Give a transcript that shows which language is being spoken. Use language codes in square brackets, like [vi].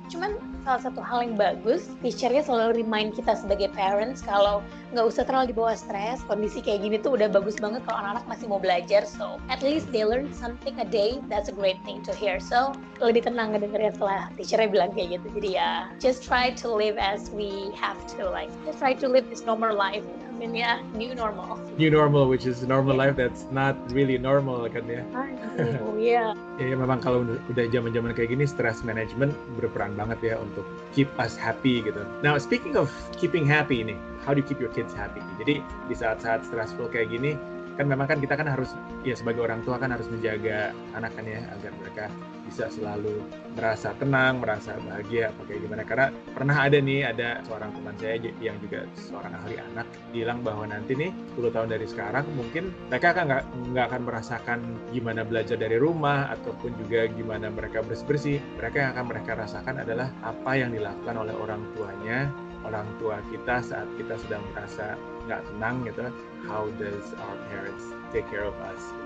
[id] Cuman salah satu hal yang bagus, teacher-nya selalu remind kita sebagai parents kalau nggak usah terlalu dibawa stres, kondisi kayak gini tuh udah bagus banget kalau anak-anak masih mau belajar, [en] so at least they learn something a day, that's a great thing to hear. [id] So lebih tenang ngedengernya setelah teacher-nya bilang kayak gitu. Jadi ya, [en] just try to live as we have to, like just try to live this normal life. New normal, which is normal life that's not really normal [id] kan ya. [en] Yeah, [id] memang kalau udah zaman kayak gini, stress management berperan banget ya untuk [en] keep us happy [id] gitu. [en] Now speaking of keeping happy nih, how do you keep your kids happy? [id] Jadi di saat-saat stressful kayak gini, kan memang kan kita kan harus ya sebagai orang tua kan harus menjaga anak kan ya, agar mereka bisa selalu merasa tenang, merasa bahagia, apa kayak gimana. Karena pernah ada nih, ada seorang teman saya yang juga seorang ahli anak, bilang bahwa nanti nih 10 tahun dari sekarang mungkin mereka akan nggak akan merasakan gimana belajar dari rumah ataupun juga gimana mereka bersih-bersih. Mereka yang akan mereka rasakan adalah apa yang dilakukan oleh orang tuanya, orang tua kita saat kita sedang merasa nggak tenang gitu. [en] How does our parents take care of us?